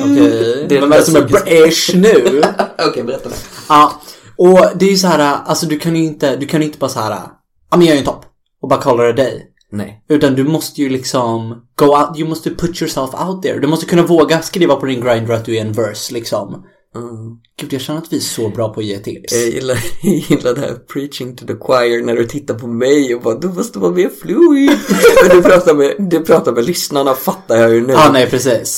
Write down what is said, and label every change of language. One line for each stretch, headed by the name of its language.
Swedish: Okay. Det är de som är British nu. Okej, okay, berätta det. Ja, och det är ju så här, alltså du kan ju inte bara så här, ja men jag är ju en topp. Och bara kallar det dig. Nej. Utan du måste ju liksom
English: go out, you must put yourself out there.
Swedish: Du måste kunna våga skriva på din Grindr att du är en verse liksom. Gud, jag känner att vi är så bra på att ge tips. Jag gillar det här
English: preaching to the choir.
Swedish: När du tittar på mig och bara, du måste vara mer fluid. Men du pratar med lyssnarna, fattar jag ju nu. Ja, nej, precis.